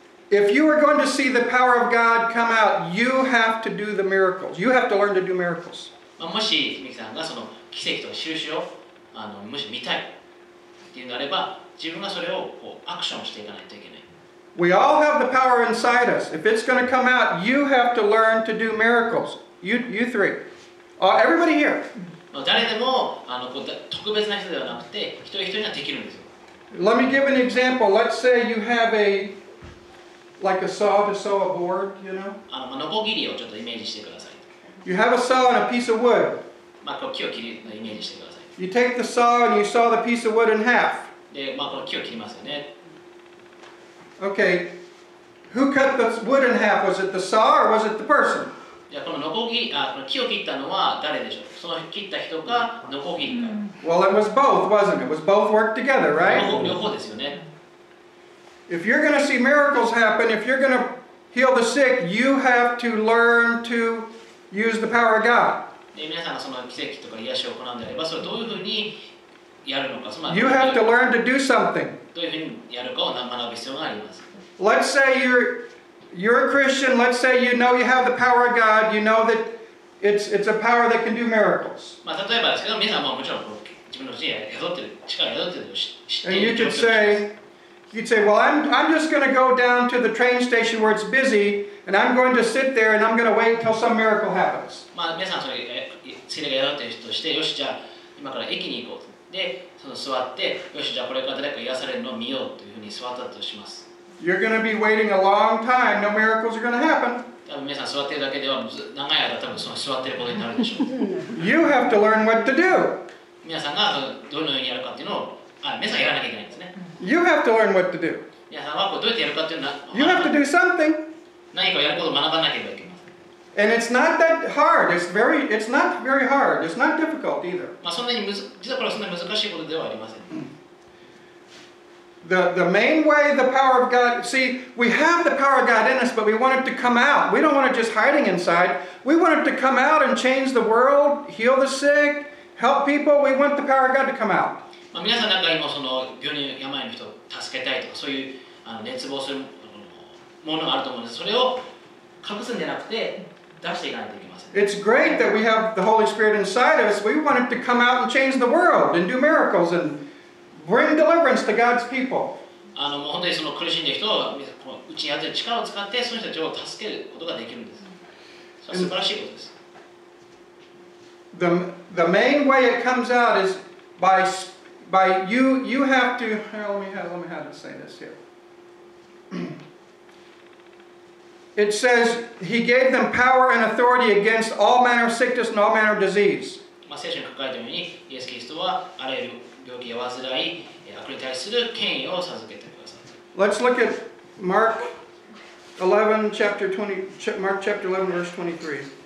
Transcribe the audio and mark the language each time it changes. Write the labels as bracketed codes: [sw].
[en] If you are going to see the power of God come out, you have to do the miracles. You have to learn to do miracles. [ja] もし、ミキさんがその奇跡とか印をもし見たいっていうのであれば、自分がそれをこうアクションしていかないといけない。 [en] We all have the power inside us. If it's going to come out, you have to learn to do miracles. You three. Everybody here. [ja] 誰でも、特別な人ではなくて、一人一人にはできるんですよ。 [en] Let me give an example. Let's say you have a, like a saw to saw a board, you know? [ja] ノコギリをちょっとイメージしてください。 [en] You have a saw and a piece of wood. [ja] こう木を切るのをイメージしてください。 [en] You take the saw and you saw the piece of wood in half. [ja] で、こう木を切りますよね。 [en] Okay. Who cut the wood in half? Was it the saw or was it the person? [ja] このノコギリ、この木を切ったのは誰でしょう?その切った人がノコギリか。 [en] Well, it was both, wasn't it? It was both worked together, right? [ja] 両方ですよね。 [en] If you're going to see miracles happen, if you're going to heal the sick, you have to learn to use the power of God. [ja] 皆さんがその奇跡とか癒しを行うんであれば、それをどういうふうにやるのか、その [en] You have to learn to do something. [ja] どういうふうにやるかを学ぶ必要があります。 [en] Let's say you're a Christian. Let's say you know you have the power of God. You know that it's a power that can do miracles. [ja] 例えばですけど、皆さんももちろん自分の人生を宿ってる力を宿ってるのを知っている [en] 。And you could say, well, I'm just going to go down to the train station where it's busy, and I'm going to sit there and I'm going to wait until some miracle happens. [ja] 皆さんそれ心霊が宿ってる人として、よしじゃあ今から駅に行こうと。で、その座って、よしじゃあこれから誰か癒されるのを見ようというふうに座ったとします。 [en] You're going to be waiting a long time. No miracles are going to happen. [ja] 多分皆さん座ってるだけでは長い間多分その座ってることになるでしょう。 [en] You have to learn what to do. [ja] 皆さんがどのようにやるかっていうのを、皆さんやらなきゃいけないんですね。 [en] You have to learn what to do. [ja] 皆さんはこうどうやってやるかっていうのは、 [en] You have to do something. [ja] 何かやることを学ばなければいけません。 [en] And it's not that hard. It's not very hard. It's not difficult either. [ja] そんなに実はこれはそんなに難しいことではありません。 [en] The main way the power of God, see, we have the power of God in us, but we want it to come out. We don't want it just hiding inside. We want it to come out and change the world, heal the sick, help people. We want the power of God to come out. [ja] 皆さんなんか今その病人や病の人を助けたいとかそういう熱望するものがあると思うんです。それを隠すんじゃなくて出していかないといけません。 [en] It's great that we have the Holy Spirit inside us. We want it to come out and change the world and do miracles and Bring deliverance to God's people. [ja] もう本当にその苦しんでいる人を、このうちにある力を使って、その人たちを助けることができるんです。それは素晴らしいことです。 [en] The main way it comes out is by you have to, let me say this here. It says, He gave them power and authority against all manner of sickness and all manner of disease. [ja] 聖書に書かれているように、イエス・キリストはあらゆる病気や患い、悪霊に対する権威を授けてください。 [en] Let's look at Mark 11, chapter 20, Mark chapter 11, verse 23.